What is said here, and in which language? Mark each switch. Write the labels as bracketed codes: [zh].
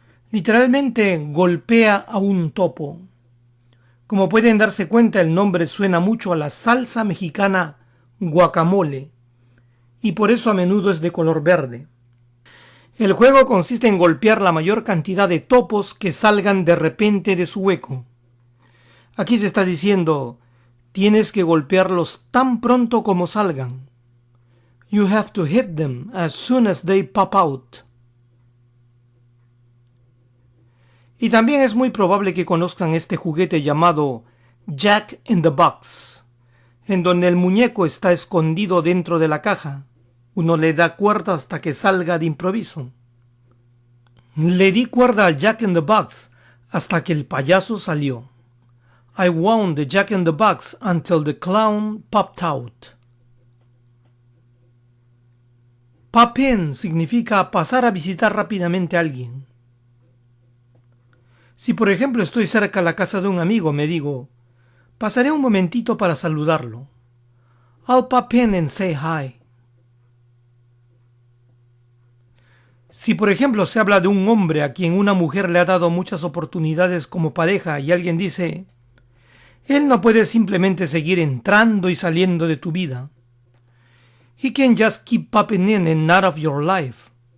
[es] Literalmente golpea a un topo. Como pueden darse cuenta, el nombre suena mucho a la salsa mexicana guacamole. Y por eso a menudo es de color verde. El juego consiste en golpear la mayor cantidad de topos que salgan de repente de su hueco. Aquí se está diciendo, tienes que golpearlos tan pronto como salgan. [en] You have to hit them as soon as they pop out. [es] Y también es muy probable que conozcan este juguete llamado Jack in the Box, en donde el muñeco está escondido dentro de la caja. Uno le da cuerda hasta que salga de improviso. Le di cuerda al Jack in the Box hasta que el payaso salió. [en] I wound the Jack in the Box until the clown popped out. [es] Pop in significa pasar a visitar rápidamente a alguien. Si por ejemplo estoy cerca a la casa de un amigo, me digo, pasaré un momentito para saludarlo. [en] I'll pop in and say hi. [es] Si por ejemplo se habla de un hombre a quien una mujer le ha dado muchas oportunidades como pareja y alguien dice, él no puede simplemente seguir entrando y saliendo de tu vida. [en] He can just keep popping in and out of your life.